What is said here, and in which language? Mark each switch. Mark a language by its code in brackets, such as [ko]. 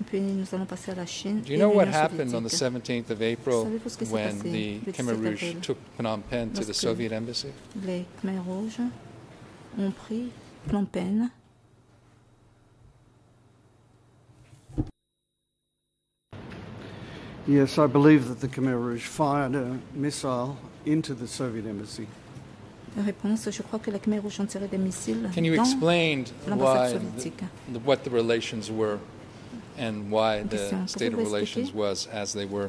[en] Do you know what happened on the 17th of April when the Khmer Rouge took Phnom Penh to the Soviet embassy? [fr] Les Khmer Rouge ont pris Phnom Penh. [en] Yes, I believe that the Khmer Rouge fired a missile into the Soviet embassy. [fr] Réponse, je crois que la Khmer Rouge ont tiré des missiles. [en] Can you explain why what the relations were and why the state of relations was as they were?